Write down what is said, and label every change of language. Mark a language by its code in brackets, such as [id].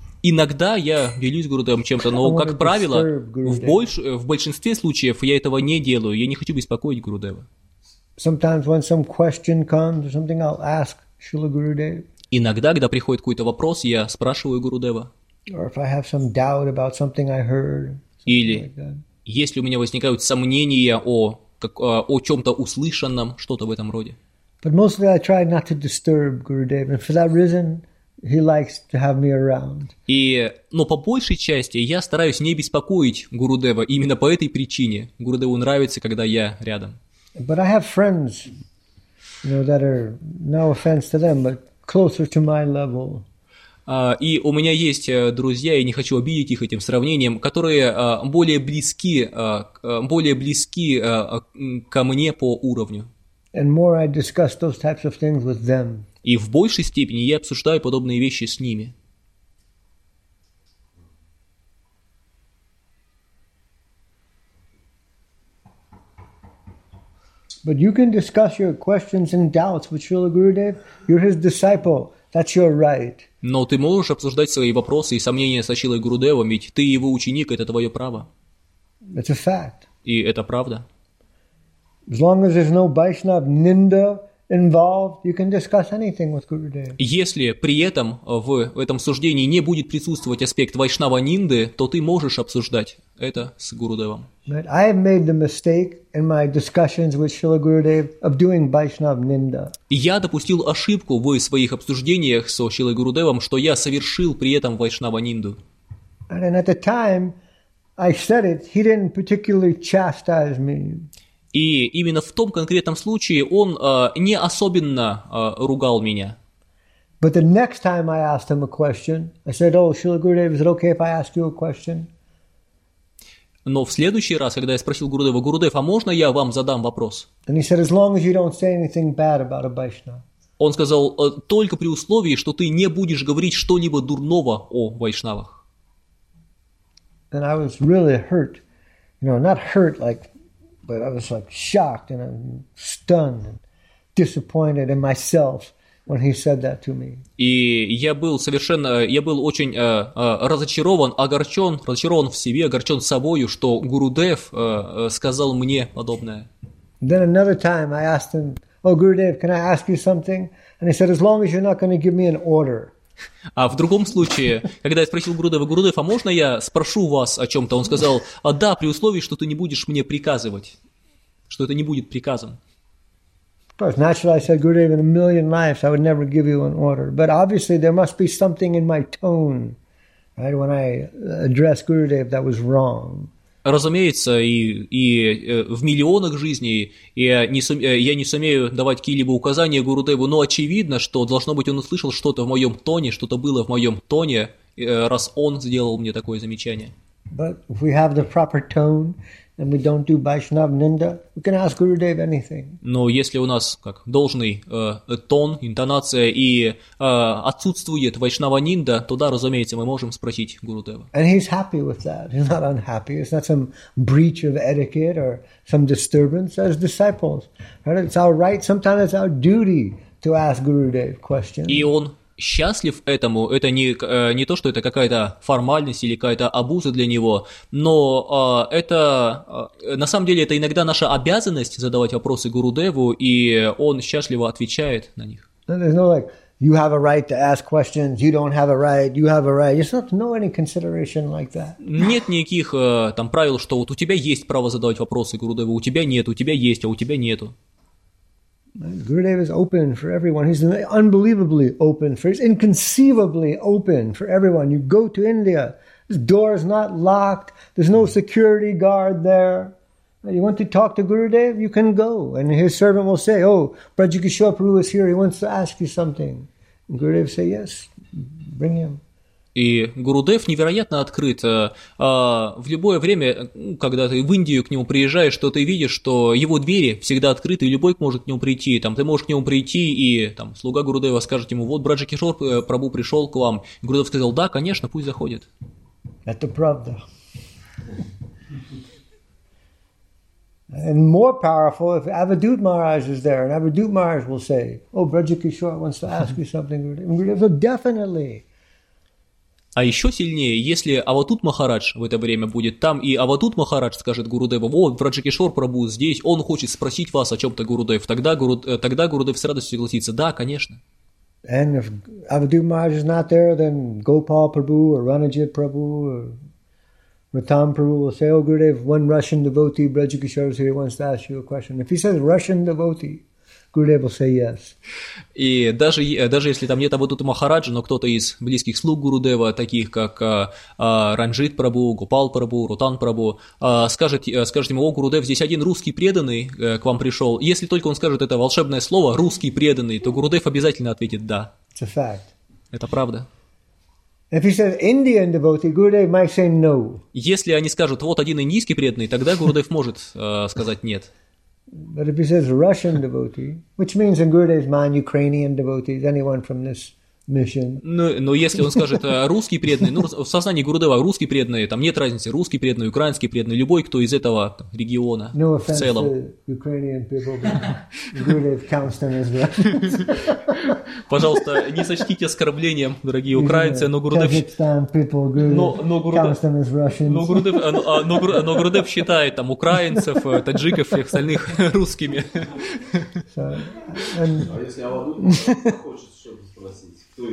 [ru] Иногда я делюсь с Гурудевом чем-то, но как правило, в большинстве случаев я этого не делаю. Я не хочу беспокоить Гурудева. [en] Sometimes when some question comes or something, I'll ask Shri Gurudev. [ru] Иногда, когда приходит какой-то вопрос, я спрашиваю Гурудева. [en] Or if I have some doubt about something I heard. [ru] Или если у меня возникают сомнения о чем-то услышанном, что-то в этом роде. [en] But mostly I try not to disturb Gurudev, and for that reason he likes to have me around. [ru] Но по большей части я стараюсь не беспокоить Гурудева, именно по этой причине. Гурудеву нравится, когда я рядом. [en] But I have friends, you know, that are, no offense to them, but closer to my level. [ru] И у меня есть друзья, и не хочу обидеть их этим сравнением, которые более близки ко мне по уровню. [en] And more I discuss those types of things with them. [ru] И в большей степени я обсуждаю подобные вещи с ними. [en] But you can discuss your questions and doubts with Srila Gurudev. You're his disciple. That's your right. [ru] Но ты можешь обсуждать свои вопросы и сомнения с Ачилой Гурудевом, ведь ты его ученик, это твое право. [en] It's a fact. [ru] И это правда. [en] As long as there's no Vaishnav Ninda involved, you can discuss anything with Gurudev. [ru] Если при этом в этом суждении не будет присутствовать аспект Вайшнава Нинды, то ты можешь обсуждать это с Гурудевом. [en] But I have made the mistake in my discussions with Srila Gurudev of doing Vaishnava Ninda. [ru] Я допустил ошибку в своих обсуждениях со Шрилой Гурудевом, что я совершил при этом Вайшнава Нинду. [en] And at the time I said it, he didn't particularly chastise me. [ru] И именно в том конкретном случае он не особенно ругал меня. [en] But the next time I asked him a question, I said, "Oh, Srila Gurudev, is it okay if I ask you a question?" [ru] Но в следующий раз, когда я спросил Гурудева, Гурудев, а можно я вам задам вопрос? [en] And he said, "As long as you don't say anything bad about a Vaishnava." [ru] Он сказал, только при условии, что ты не будешь говорить что-либо дурного о вайшнавах. [en] And I was really hurt, you know, not hurt like. But I was like shocked and I'm stunned and disappointed in myself when he said that to me. [ru] И я был совершенно, я был очень разочарован, огорчен, разочарован в себе, огорчен собою, что Гурудев сказал мне подобное. [en] Then another time I asked him, "Oh, Gurudev, can I ask you something?" And he said, "As long as you're not going to give me an order." [ru] А в другом случае, когда я спросил Гурудева, Гурудев, а можно я спрошу вас о чем-то? Он сказал, а да, при условии, что ты не будешь мне приказывать, что это не будет приказом. [en] Naturally, I said, Gurudev, in a million lives, I would never give you an order. But obviously, there must be something in my tone, right, when I address Gurudev that was wrong. [ru] Разумеется, и в миллионах жизней я не сумею давать какие-либо указания Гурудеву, но очевидно, что должно быть, он услышал что-то в моем тоне, что-то было в моем тоне, раз он сделал мне такое замечание. [en] But if we have the proper tone and we don't do Vaishnav Ninda, we can ask Gurudev anything. [ru] Но если у нас как должный тон, интонация и отсутствует Vaishnava Ninda, то да, разумеется, мы можем спросить Гурудева. [en] And he's happy with that. He's not unhappy. It's not some breach of etiquette or some disturbance as disciples. Right? It's our right, sometimes it's our duty to ask Gurudev questions. [ru] И он счастлив этому, это не то, что это какая-то формальность или какая-то обуза для него, но это на самом деле это иногда наша обязанность задавать вопросы Гурудеву, и он счастливо отвечает на них. [en] There's no like you have a right to ask questions, you don't have a right, you have a right. There's not no any consideration like that. [ru] Нет никаких там правил, что вот у тебя есть право задавать вопросы Гурудеву, у тебя нет, у тебя есть, а у тебя нету. [en] Gurudev is open for everyone. He's unbelievably open. He's inconceivably open for everyone. You go to India, his door is not locked. There's no security guard there. You want to talk to Gurudev? You can go. And his servant will say, "Oh, Prajakishore Prabhu is here. He wants to ask you something." And Gurudev say, "Yes, bring him." [ru] И Гурудев невероятно открыт. В любое время, когда ты в Индию к нему приезжаешь, что ты видишь, что его двери всегда открыты, и любой может к нему прийти. Там, ты можешь к нему прийти, и там, слуга Гурудева скажет ему, вот Браджакишор Прабу пришел к вам. И Гурудев сказал, да, конечно, пусть заходит. Это правда. [en] And more powerful if Avadhut Maharaj is there, and Avadhut Maharaj will say, oh, Браджакишор wants to ask you something. Гурудев, definitely. [ru] А еще сильнее, если Аватут Махарадж в это время будет там, и Аватут Махарадж скажет Гурудеву, о, Враджакишор Прабу здесь, он хочет спросить вас о чем-то, Гурудев. Тогда Гурудев с радостью согласится, да, конечно. [en] And if Avadhut Maharaj is not there, then Gopal Prabhu or Ranajit Prabhu or Ratan Prabhu will say, oh, Gurudev, one Russian devotee, Враджакишор is here, wants to ask you a question. If he says Russian devotee, Gurudev will say yes. [ru] И даже если там нет Аватут Махараджа, но кто-то из близких слуг Гурудева, таких как Ранджит Прабу, Гупал Прабу, Рутан Прабу, скажет ему, о, Гурудев, здесь один русский преданный к вам пришел. Если только он скажет это волшебное слово, русский преданный, то Гурудев обязательно ответит да. [en] It's a fact. [ru] Это правда. [en] If he says Indian devotee, Gurudev might say no. [ru] Если они скажут, вот один индийский преданный, тогда Гурудев может сказать нет. [en] But if he says Russian devotee, which means in Gurudev's mind Ukrainian devotees, anyone from this mission. [ru] Но если он скажет русский преданный, ну в сознании Гурудева русский преданный, там нет разницы, русский преданный, украинский преданный, любой, кто из этого региона no в целом. [en] No offense to Ukrainian people, but Gurudev counts them as Russians. [ru] Пожалуйста, не сочтите оскорблением, дорогие украинцы, но Гурудев. [en] Kazakhstan people, Gurudev counts them as Russians. [ru] Но Гурудев считает там украинцев, таджиков и остальных русскими. А если Аватут хочет что-то спросить?